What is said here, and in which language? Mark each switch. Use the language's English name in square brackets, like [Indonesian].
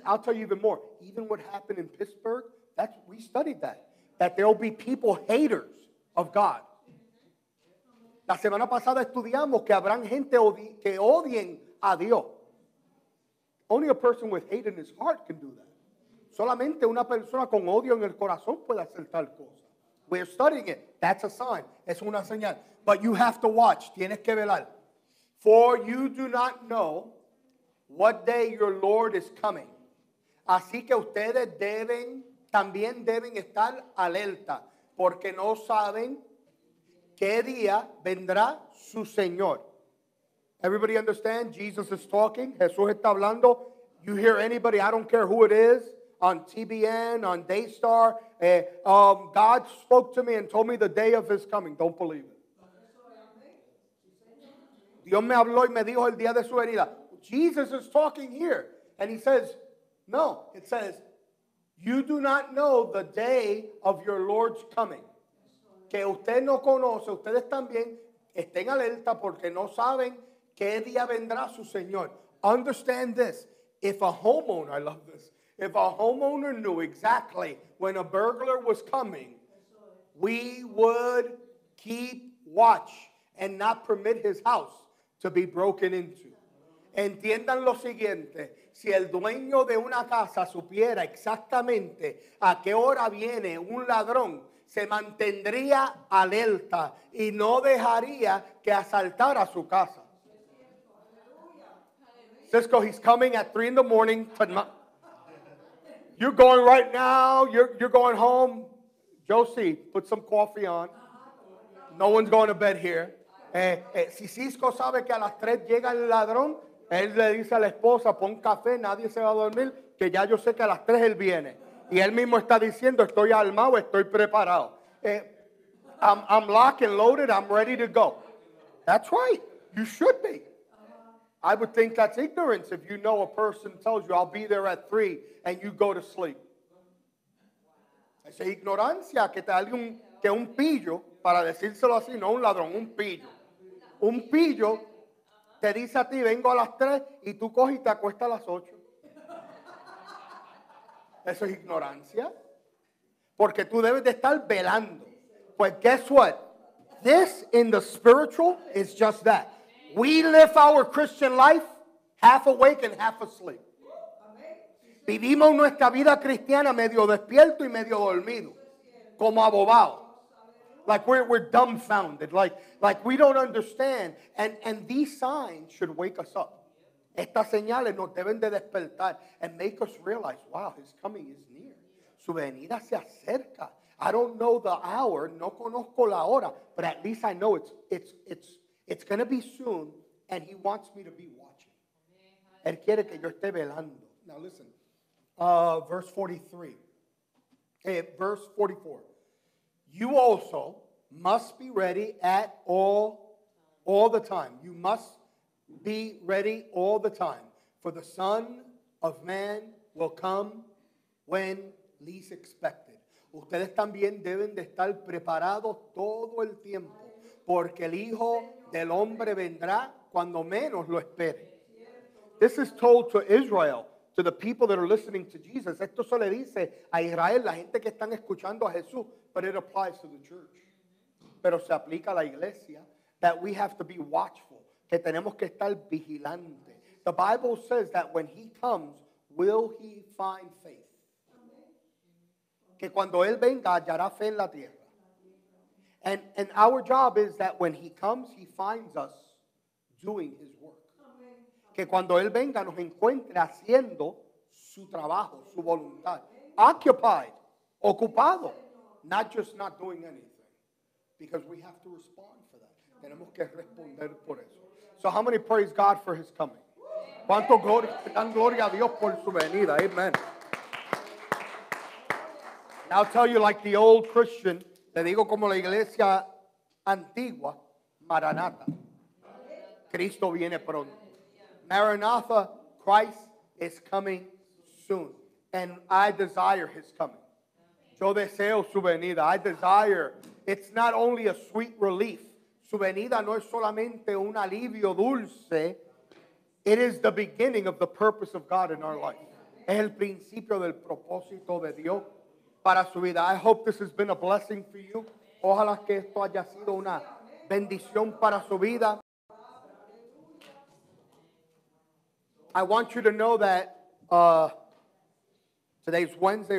[English] I'll tell you even more. Even what happened in Pittsburgh, we studied that. That there will be people haters of God. [Spanish] La semana pasada estudiamos que habrán gente que odien a Dios. [English] Only a person with hate in his heart can do that. [Spanish] Solamente una persona con odio en el corazón puede hacer tal cosa. [English] We're studying it. That's a sign. [Spanish] Es una señal. [English] But you have to watch. [Spanish] Tienes que velar. [English] For you do not know what day your Lord is coming. [Spanish] Así que ustedes deben... También deben estar alerta, porque no saben qué día vendrá su Señor. [English] Everybody understand? Jesus is talking. [Spanish] Jesús está hablando. [English] You hear anybody, I don't care who it is, on TBN, on Daystar. God spoke to me and told me the day of his coming. Don't believe it. [Spanish] Dios me habló y me dijo el día de su venida. [English] Jesus is talking here. And he says, no, it says, you do not know the day of your Lord's coming. [Spanish] Que usted no conoce, ustedes también estén alerta porque no saben qué día vendrá su Señor. [English] Understand this. If a homeowner, I love this. If a homeowner knew exactly when a burglar was coming, we would keep watch and not permit his house to be broken into. [Spanish] Entiendan lo siguiente. Si el dueño de una casa supiera exactamente a qué hora viene un ladrón, se mantendría alerta y no dejaría que asaltara su casa. [English] Cisco, he's coming at 3 in the morning tonight. You're going right now. You're going home. Josie, put some coffee on. No one's going to bed here. [Spanish] Si Cisco sabe que a las 3 llega el ladrón, él le dice a la esposa, pon café, nadie se va a dormir, que ya yo sé que a las 3 él viene. Y él mismo está diciendo, estoy armado, estoy preparado. [English] I'm locked and loaded, I'm ready to go. That's right. You should be. I would think that's ignorance if you know a person tells you, I'll be there at 3, and you go to sleep. [Spanish] Esa ignorancia que te alguien que un pillo, para decírselo así, no un ladrón, un pillo. Un pillo te dice a ti, vengo a las 3, y tú coges y te acuestas a las 8. Eso es ignorancia. Porque tú debes de estar velando. [English] But guess what? This in the spiritual is just that. We live our Christian life half awake and half asleep. [Spanish] Vivimos nuestra vida cristiana medio despierto y medio dormido. Como abobado. [English] Like we're dumbfounded. Like we don't understand. And these signs should wake us up. [Spanish] Estas señales nos deben de despertar [English] and make us realize, wow, his coming is near. [Spanish] Su venida se acerca. [English] I don't know the hour, [Spanish] no conozco la hora, [English] but at least I know it's going to be soon, and he wants me to be watching. [Spanish] Él quiere que yo esté velando. [English] Now listen, verse 44. You also must be ready at all the time. You must be ready all the time, for the Son of Man will come when least expected. [Spanish] Ustedes también deben de estar preparados todo el tiempo, porque el Hijo del Hombre vendrá cuando menos lo espere. [English] This is told to Israel, to the people that are listening to Jesus. [Spanish] Esto se le dice a Israel, la gente que están escuchando a Jesús, [English] but it applies to the church. [Spanish] Pero se aplica a la iglesia, [English] that we have to be watchful, [Spanish] que tenemos que estar vigilantes. [English] The Bible says that when he comes, will he find faith? [Spanish] Que cuando él venga, hallará fe en la tierra. [English] And our job is that when he comes, he finds us doing his work. [Spanish] Que cuando él venga, nos encuentre haciendo su trabajo, su voluntad. [English] Occupied, ocupado. Not just not doing anything. Because we have to respond for that. [Spanish] Tenemos que responder por eso. [English] So how many praise God for his coming? [Spanish] ¿Cuánto dan gloria a Dios por su venida? [English] Amen. I'll tell you like the old Christian, [Spanish] le digo como la iglesia antigua, [English] Maranatha. [Spanish] Cristo viene pronto. [English] Maranatha, Christ is coming soon. And I desire his coming. [Spanish] Yo deseo su venida. [English] I desire. It's not only a sweet relief. [Spanish] Su venida no es solamente un alivio dulce. [English] It is the beginning of the purpose of God in our life. [Spanish] Es el principio del propósito de Dios. Para su vida. [English] I hope this has been a blessing for you. [Spanish] Ojalá que esto haya sido una bendición para su vida. [English] I want you to know that today's Wednesday.